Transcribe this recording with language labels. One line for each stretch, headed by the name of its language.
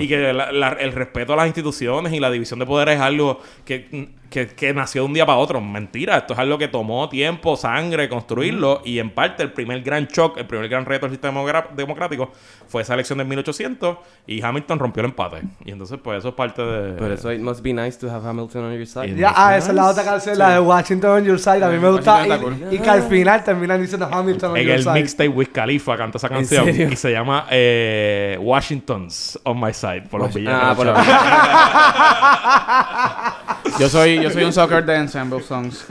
Spanish: Y que el respeto a las instituciones y la división de poderes es algo que nació de un día para otro. Mentira. Esto es algo que tomó tiempo, sangre, construirlo. Mm. Y en parte el primer gran shock, el primer gran reto del sistema democrático fue esa elección de 1800 y Hamilton rompió el empate. Y entonces pues eso es parte de... Pero eso,
English: it must be nice to have Hamilton on your side.
Spanish: Esa es la otra canción, la de Washington
English: on your side.
Spanish: A mí me gusta. Y que al final terminan diciendo Hamilton
English: on your side.
Spanish: En el mixtape Wiz Khalifa canta esa canción. Y se llama
English: Washington's on my side.
Spanish: Por los villanos. Por los villanos. Yo soy un sucker de ensemble songs.